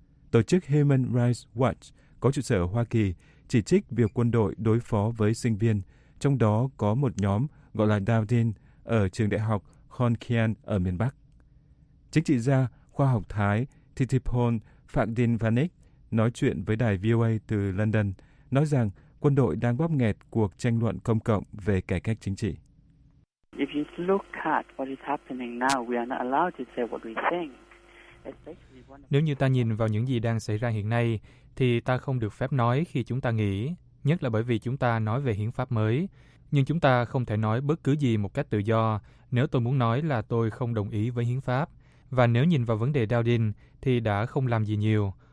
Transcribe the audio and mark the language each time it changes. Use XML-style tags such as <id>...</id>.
<vi>Tổ chức Human Rights Watch có trụ sở ở Hoa Kỳ chỉ trích việc quân đội đối phó với sinh viên, trong đó có một nhóm gọi là Dawdin ở trường đại học Khon Kaen ở miền Bắc. Chính trị gia khoa học Thái Thitipon Phakdinvanik nói chuyện với đài VOA từ London, nói rằng quân đội đang bóp nghẹt cuộc tranh luận công cộng về cải cách chính trị.</vi> <en>If you look at what is happening now, we are not allowed to say what we think.</en> <vi>Nếu như ta nhìn vào những gì đang xảy ra hiện nay, thì ta không được phép nói khi chúng ta nghĩ, nhất là bởi vì chúng ta nói về hiến pháp mới. Nhưng chúng ta không thể nói bất cứ gì một cách tự do nếu tôi muốn nói là tôi không đồng ý với hiến pháp. Và nếu nhìn vào vấn đề Dowding thì đã không làm gì nhiều.</vi>